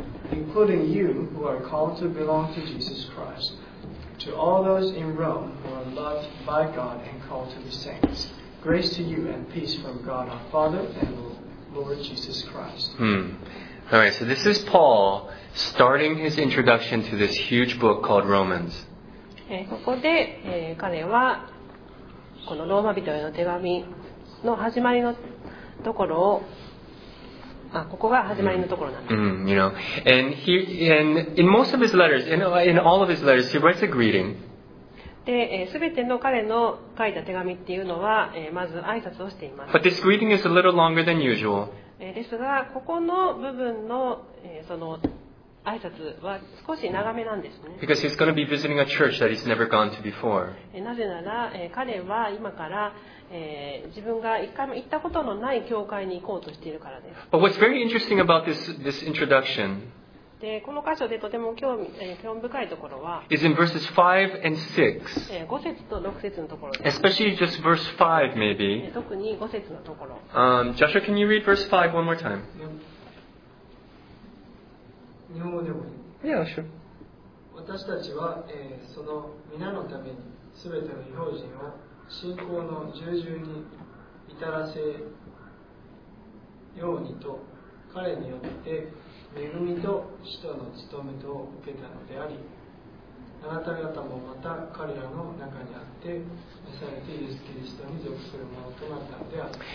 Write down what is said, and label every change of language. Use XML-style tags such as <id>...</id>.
<en>Including you who are called to belong to Jesus Christ, to all those in Rome who are loved by God and called to the saints. Grace to you and peace from God our Father and Lord Jesus Christ. All right, so this is Paul starting his introduction to this huge book called Romans.</en> <ja>ここで、彼はこのローマ人への手紙の始まりのところをここが始まりのところなんです。</ja> <en>You know, and he and in most of his letters, in all of his letters, he writes a greeting.</en> <ja>で、すべての彼の書いた手紙っていうのは、まず挨拶をしています。</ja> <en>But this greeting is a little longer than usual.</en> <ja>ですが、ここの部分の、その挨拶は少し長めなんですね。</ja> <en>Because he's going to be visiting a church that he's never gone to before.</en> <ja>なぜなら、彼は今から自分が一回も行ったことのない教会に行こうとしているからです。</ja> <en>But what's very interesting about this introduction?</en> <ja>で、この箇所でとても興味深いところは、</ja> <en>is in verses 5 and 6.</en> <ja>五節と六節のところです。</ja> <en>Especially just verse 5, maybe.</en> <ja>特に五節のところ。</ja> <en>Joshua, can you read verse 5 one more time?</en> <ja>日本語でもいい。</ja> <en>Yeah, sure.</en> <ja>私たちは、その皆のためにすべての異邦人を信仰の従順に至らせようにと彼によって恵みと使徒の務めとを受けたのであり、あなた方もまた彼らの中にあって召されてイエス・キリストに属するものとなったのである。</ja>